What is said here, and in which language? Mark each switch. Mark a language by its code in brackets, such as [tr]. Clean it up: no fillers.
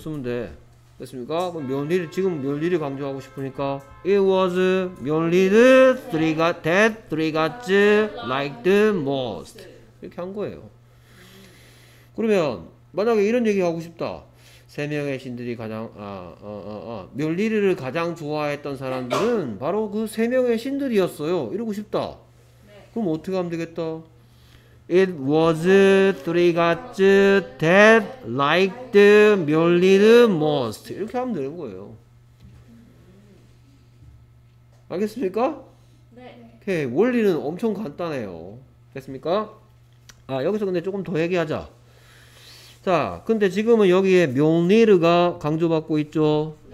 [ko] 쓰면 돼. 됐습니까? 그럼 멸리르 지금 멸리르 강조하고 싶으니까 [en] It was 멸리르 that three gods liked most [ko] 이렇게 한 거예요. 그러면 만약에 이런 얘기 하고 싶다. 세 명의 신들이 가장 멸리르를 가장 좋아했던 사람들은 바로 그 세 명의 신들이었어요. 이러고 싶다. 그럼 어떻게 하면 되겠다? [en] It was three gods that liked Mjolnir most. [ko] 이렇게 하면 되는 거예요. 알겠습니까? 네. 오케이. 원리는 엄청 간단해요. 됐습니까? 아, 여기서 근데 조금 더 얘기하자. 자, 근데 지금은 여기에 Mjolnir가 강조받고 있죠?